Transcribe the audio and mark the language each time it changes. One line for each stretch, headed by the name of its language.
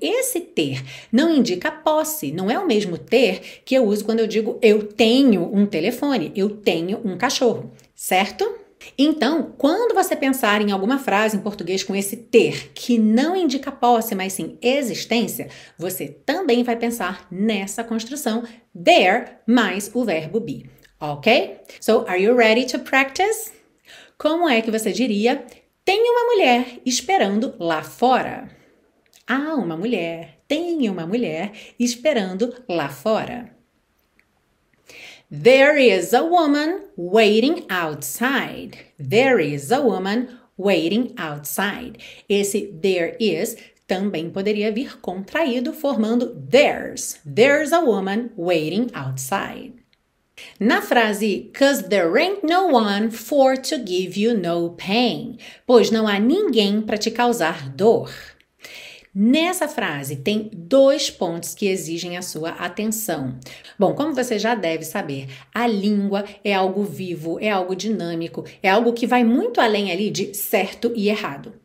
Portuguese: Esse ter não indica posse, não é o mesmo ter que eu uso quando eu digo eu tenho um telefone, eu tenho um cachorro, certo? Então, quando você pensar em alguma frase em português com esse ter que não indica posse, mas sim existência, você também vai pensar nessa construção there mais o verbo be, ok?
English: So, are you ready to practice?
Portuguese: Como é que você diria? Tem uma mulher esperando lá fora. Há uma mulher. Tem uma mulher esperando lá fora.
English: There is a woman waiting outside. There is a woman waiting outside.
Portuguese: Esse there is também poderia vir contraído, formando there's.
English: There's a woman waiting outside.
Portuguese: Na frase,
English: 'cause there ain't no one for to give you no pain.
Portuguese: Pois não há ninguém para te causar dor. Nessa frase, tem dois pontos que exigem a sua atenção. Bom, como você já deve saber, a língua é algo vivo, é algo dinâmico, é algo que vai muito além ali de certo e errado.